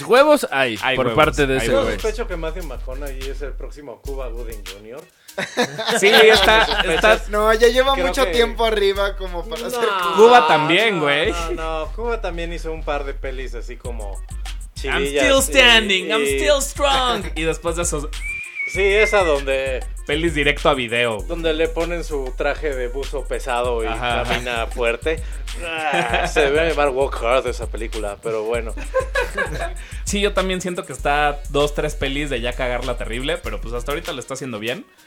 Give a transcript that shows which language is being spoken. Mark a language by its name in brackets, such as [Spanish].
[Spanish] Huevos hay por huevos, parte de ese güey. Yo sospecho que Matthew McConaughey es el próximo Cuba Gooding Jr. Sí, está. No, ya lleva creo mucho que tiempo arriba como para hacer Cuba también, güey. No, Cuba también hizo un par de pelis así como chivillas. [English] I'm still standing, I'm still strong. [Spanish] Y después de eso... Sí, esa donde... Pelis directo a video. Donde le ponen su traje de buzo pesado y camina fuerte. Se ve Bar Walk Hard esa película, pero bueno. Sí, yo también siento que está 2-3 pelis de ya cagarla terrible, pero pues hasta ahorita lo está haciendo bien.